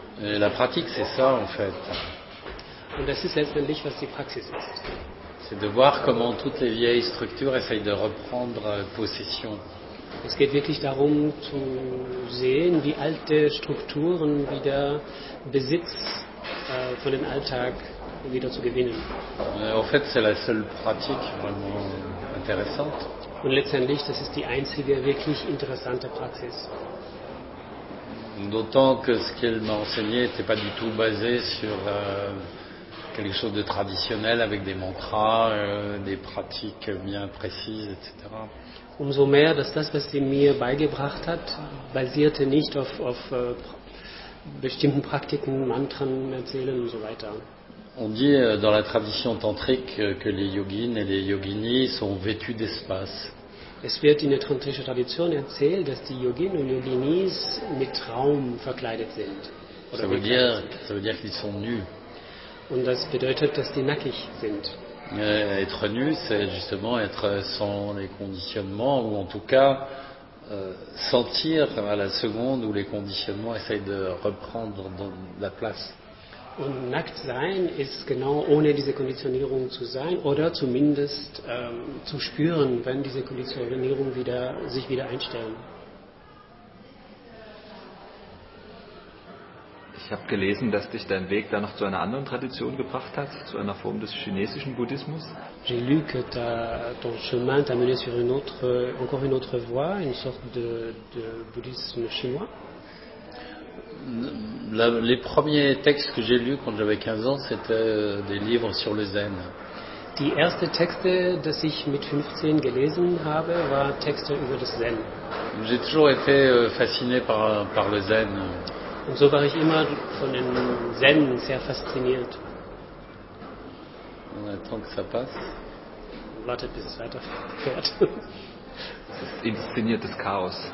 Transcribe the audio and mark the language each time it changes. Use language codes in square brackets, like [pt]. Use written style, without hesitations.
[fr] Et la pratique, c'est ça en fait. [de] Und das ist letztendlich, was die Praxis ist. [fr] C'est de voir comment toutes les vieilles structures essayent de reprendre possession. [de] Es geht wirklich darum zu sehen, wie alte Strukturen wieder Besitz von dem Alltag wieder zu gewinnen. [fr] En fait, c'est la seule pratique vraiment intéressante. [de] Und letztendlich, das ist die einzige wirklich interessante Praxis. [fr] D'autant que ce qu'elle m'a enseigné n'était pas du tout basé sur quelque chose de traditionnel avec des mantras, des pratiques bien précises, etc. [de] Umso mehr, dass das, was sie mir beigebracht hat, basierte nicht auf bestimmten Praktiken, Mantren erzählen und so weiter. [fr] On dit dans la tradition tantrique que les yogins et les yoginis sont vêtus d'espace. [de] Es wird in der tantrischen Tradition erzählt, dass die Yogins und Yoginis mit Raum verkleidet sind. [fr] Ça veut dire qu'ils sont nus. [de] Und das bedeutet, dass die nackig sind. [fr] Être nu, c'est justement être sans les conditionnements, ou en tout cas sentir à la seconde où les conditionnements essayent de reprendre dans la place. [de] Und nackt sein ist genau ohne diese Konditionierung zu sein oder zumindest zu spüren, wenn diese Konditionierung wieder, sich wieder einstellen. Ich habe gelesen, dass dich dein Weg dann noch zu einer anderen Tradition gebracht hat, zu einer Form des chinesischen Buddhismus. [fr] J'ai lu que ton chemin t'a mené sur une autre, encore une autre voie, une sorte de bouddhisme chinois. Les premiers textes que j'ai lus quand j'avais 15 ans, c'était des livres sur le zen. [de] Die erste Texte, dass ich mit 15 gelesen habe, war Texte über das Zen. [fr] J'ai toujours été fasciné par le zen. [de] Und so war ich immer von dem Zen sehr fasziniert. [fr] On attend que ça passe. [de] Wartet, bis es weiterfährt. Das ist inszeniertes Chaos.